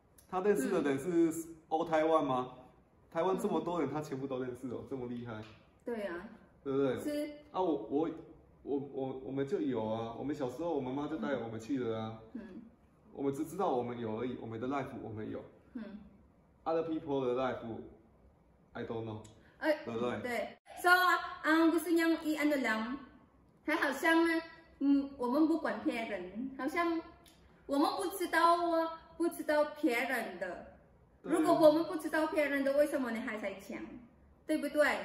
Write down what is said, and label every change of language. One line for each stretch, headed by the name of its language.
Chinese: 他认识的人是 All Taiwan 吗？台湾这么多人，他全部都认识哦，这么厉害。对啊，对不对？是啊，我们就有啊，我们小时候我妈妈就带我们去的啊。我们只知道我们有而已，我们的 life 我们有。
English: Other people 的 life，I don't know。
Chinese: 对不对？对。So， 就是想，一，
Filipino: ano lang，
Chinese: 他好像我们不管别人，好像我们不知道啊，不知道别人的。如果我们不知道别人的，为什么你还在抢？对不对？